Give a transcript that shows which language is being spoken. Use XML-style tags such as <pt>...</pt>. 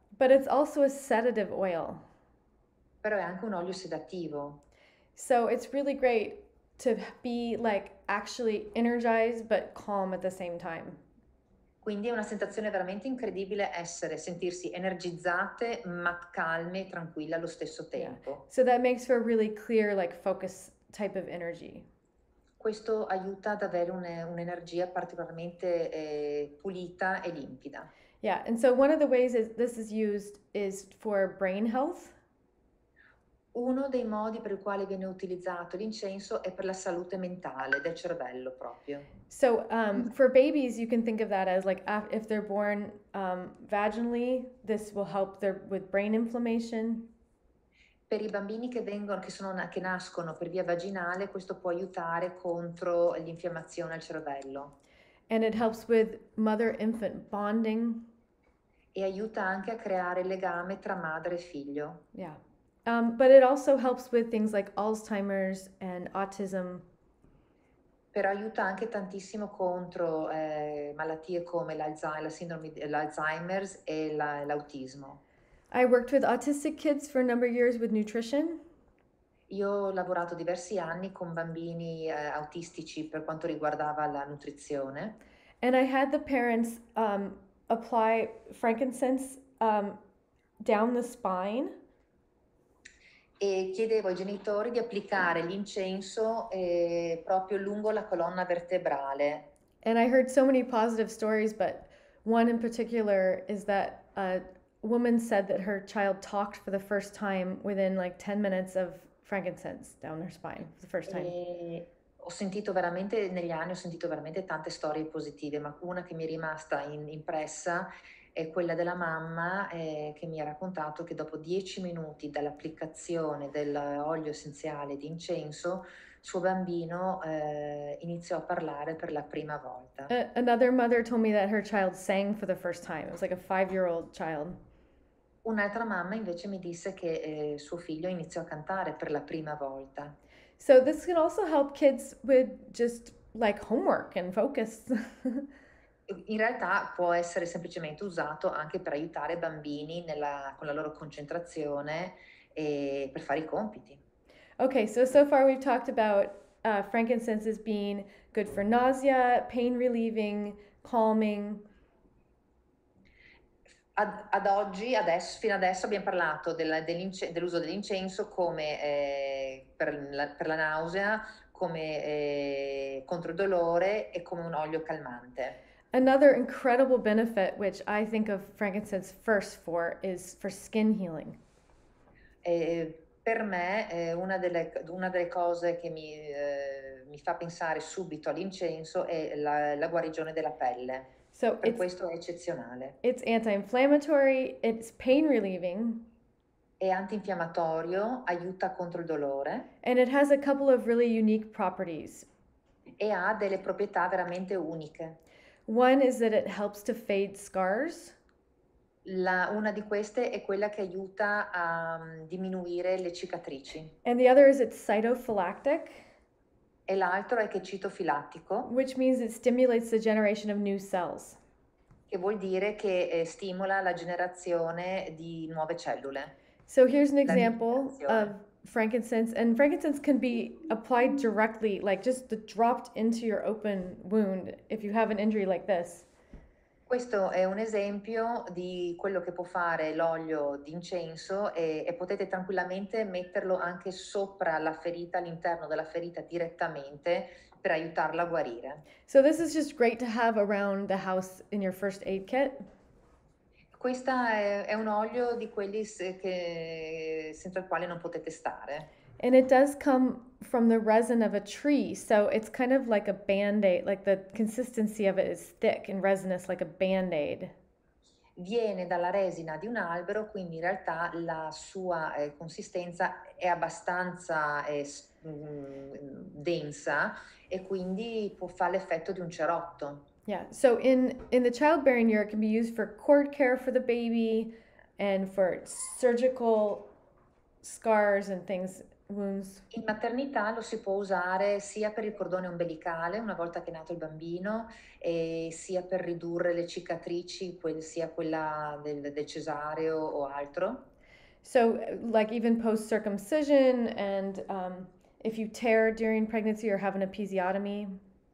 <en>But it's also a sedative oil.</en> <it>Però è anche un olio sedativo.</it> <en>So it's really great to be like actually energized but calm at the same time.</en> <it>Quindi è una sensazione veramente incredibile sentirsi energizzate ma calme e tranquille allo stesso</it> <en>Yeah,</en> <it>tempo.</it> <en>so that makes for a really clear, like focus type of energy.</en> <it>Questo aiuta ad avere un'energia particolarmente pulita e limpida.</it> <en>Yeah, and so one of the ways this is used is for brain health.</en> <it>Uno dei modi per il quale viene utilizzato l'incenso è per la salute mentale del cervello proprio.</it> <en>So for babies, you can think of that as like if they're born vaginally, this will help with brain inflammation.</en> <it>Per i bambini che nascono per via vaginale, questo può aiutare contro l'infiammazione al cervello.</it> <en>And it helps with mother-infant bonding.</en> <it>E aiuta anche a creare legame tra madre e figlio.</it> <en>Yeah, but it also helps with things like Alzheimer's and autism.</en> <it>Però aiuta anche tantissimo contro malattie come la sindrome dell'Alzheimer's e l'autismo.</it> <en>I worked with autistic kids for a number of years with nutrition.</en> <it>Io ho lavorato diversi anni con bambini autistici per quanto riguardava la nutrizione.</it> <en>And I had the parents apply frankincense down the spine.</en> <it>E chiedevo ai genitori di applicare l'incenso proprio lungo la colonna vertebrale.</it> <en>And I heard so many positive stories, but one in particular is that a woman said that her child talked for the first time within like 10 minutes of frankincense down her spine for the first time.</en> <it>Negli anni ho sentito veramente tante storie positive, ma una che mi è rimasta impressa è quella della mamma che mi ha raccontato che dopo 10 minuti dall'applicazione dell'olio essenziale di incenso, suo bambino iniziò a parlare per la prima volta.</it> <en>Another mother told me that her child sang for the first time. It was like a 5-year-old child.</en> <it>Un'altra mamma invece mi disse che suo figlio iniziò a cantare per la prima volta.</it> <en>So this can also help kids with just like homework and focus.</en> <it>In realtà può essere semplicemente usato anche per aiutare bambini con la loro concentrazione, per fare i compiti.</it> <en>Okay, so far we've talked about frankincense as being good for nausea, pain relieving, calming.</en> <it>Ad oggi, adesso, fino adesso abbiamo parlato dell'uso dell'incenso come per la nausea, come contro il dolore e come un olio calmante.</it> <en>Another incredible benefit which I think of frankincense first for is for skin healing.</en> <it>Per me una delle cose che mi fa pensare subito all'incenso è la guarigione della pelle.</it> <en>So</en> <it>per questo è eccezionale.</it> <en>It's anti-inflammatory, it's pain relieving.</en> <it>È antinfiammatorio, aiuta contro il dolore.</it> <en>And it has a couple of really unique properties.</en> <it>E ha delle proprietà veramente uniche.</it> <en>One is that it helps to fade scars.</en> <it>Una di queste è quella che aiuta a diminuire le cicatrici.</it> <en>And the other is it's cytophylactic.</en> <it>E l'altro è che è citofilattico.</it> <en>Which means it stimulates the generation of new cells.</en> <it>Che vuol dire che stimola la generazione di nuove cellule.</it> <en>So here's an example of frankincense, and frankincense can be applied directly, like just dropped into your open wound if you have an injury like this.</en> <it>Questo è un esempio di quello che può fare l'olio d'incenso e potete tranquillamente metterlo anche sopra la ferita, all'interno della ferita direttamente per aiutarla a guarire.</it> <en>So this is just great to have around the house in your first aid kit.</en> <it>Questa è un olio di quelli che senza il quale non potete stare.</it> <en>And it does come from the resin of a tree, so it's kind of like a band-aid, like the consistency of it is thick and resinous, like a band-aid.</en> <it>Viene dalla resina di un albero, quindi in realtà la sua consistenza è abbastanza densa e quindi può fare l'effetto di un cerotto.</it> <en>Yeah, so in the childbearing year, it can be used for cord care for the baby and for surgical scars and things, wounds.</en> <it>In maternità lo si può usare sia per il cordone ombelicale una volta che è nato il bambino, e sia per ridurre le cicatrici, sia quella del cesareo o altro.</it> <en>So, like even post-circumcision and if you tear during pregnancy or have an episiotomy.</en>